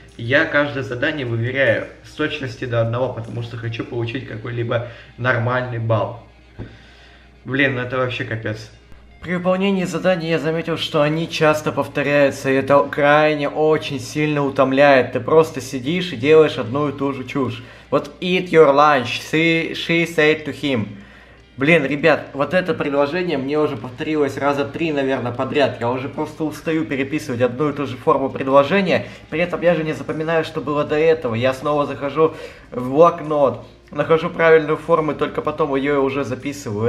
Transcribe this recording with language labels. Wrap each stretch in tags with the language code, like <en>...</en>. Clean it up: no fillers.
<ru>Я каждое задание выверяю с точности до одного, потому что хочу получить какой-либо нормальный балл. Блин, это вообще капец. При выполнении заданий я заметил, что они часто повторяются, и это крайне очень сильно утомляет. Ты просто сидишь и делаешь одну и ту же чушь.</ru> <en>Вот eat your lunch, she said to him.</en> <ru>Блин, ребят, вот это предложение мне уже повторилось раза три, наверное, подряд. Я уже просто устаю переписывать одну и ту же форму предложения. При этом я же не запоминаю, что было до этого. Я снова захожу в блокнот, нахожу правильную форму, и только потом ее уже записываю.</ru>